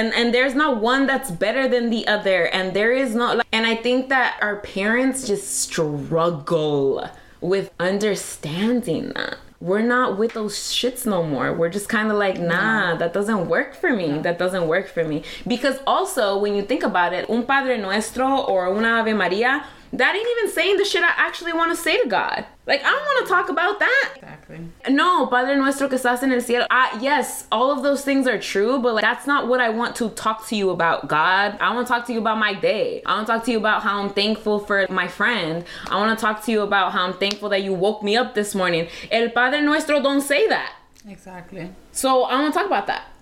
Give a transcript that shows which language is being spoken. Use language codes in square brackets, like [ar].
[en] And there's not one that's better than the other. And there is no, like, and I think that our parents just struggle with understanding that. We're not with those shits no more. We're just kind of like, nah, that doesn't work for me. That doesn't work for me. Because also, when you think about it, un Padre Nuestro or una Ave Maria, that ain't even saying the shit I actually want to say to God. Like, I don't want to talk about that. Exactly. [es] No, Padre Nuestro que estás en el cielo. [en] Yes, all of those things are true, but like, that's not what I want to talk to you about, God. I want to talk to you about my day. I want to talk to you about how I'm thankful for my friend. I want to talk to you about how I'm thankful that you woke me up this morning. El Padre Nuestro don't say that. Exactly. So I want to talk about that.